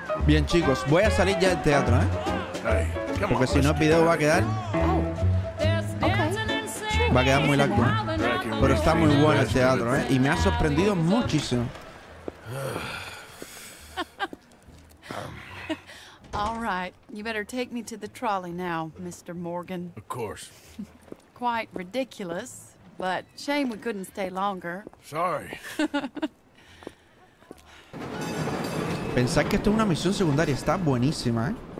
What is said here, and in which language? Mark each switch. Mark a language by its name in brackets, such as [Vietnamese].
[Spanish] Bien, chicos, voy a salir ya del teatro, ¿eh? Porque si no, el video va a quedar... Va a quedar muy largo, ¿eh? Pero está muy bueno el teatro, ¿eh? Y me ha sorprendido muchísimo. [English] All right, you better take me to the trolley now, Mr. Morgan. Of course. Quite ridiculous, but shame we couldn't stay longer. Sorry. [Spanish] Pensad que esto es una misión secundaria, está buenísima, ¿eh?